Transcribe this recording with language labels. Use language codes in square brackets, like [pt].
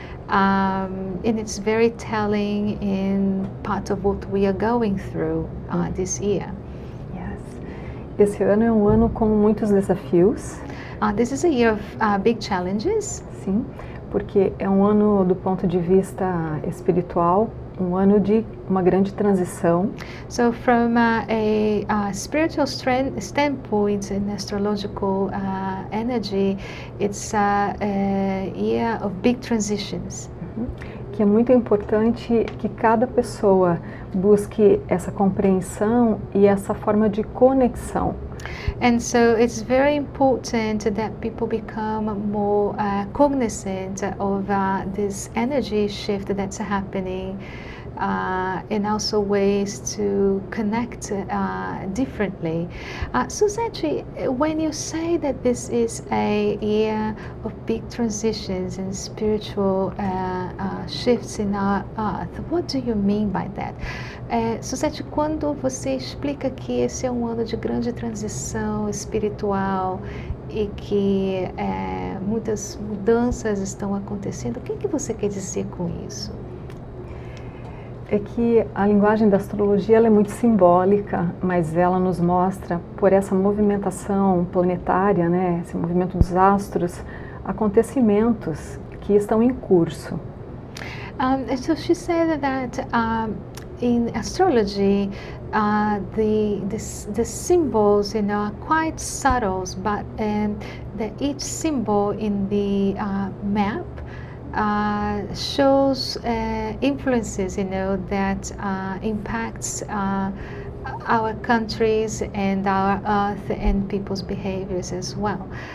[en] And it's very telling in part of what we are going through this year. Yes. [pt] Esse ano é um ano com muitos desafios. [en] This is a year of big challenges. [pt] Sim, porque é um ano do ponto de vista espiritual, um ano de uma grande transição. [en] So from a spiritual standpoint and astrological energy, it's a year of big transitions. [pt] Que é muito importante que cada pessoa busque essa compreensão e essa forma de conexão. [en] And so it's very important that people become more cognizant of this energy shift that's happening, and also ways to connect differently. Suzete, when you say that this is a year of big transitions and spiritual shifts in our earth, what do you mean by that? [pt] Suzete, quando você explica que esse é um ano de grande transição espiritual e que muitas mudanças estão acontecendo, o que você quer dizer com isso? É que a linguagem da astrologia, ela é muito simbólica, mas ela nos mostra, por essa movimentação planetária, né, esse movimento dos astros, acontecimentos que estão em curso. [en] So she said that in astrology, the symbols, you know, are quite subtle, but and that each symbol in the map shows influences, you know, that impacts our countries and our earth and people's behaviors as well.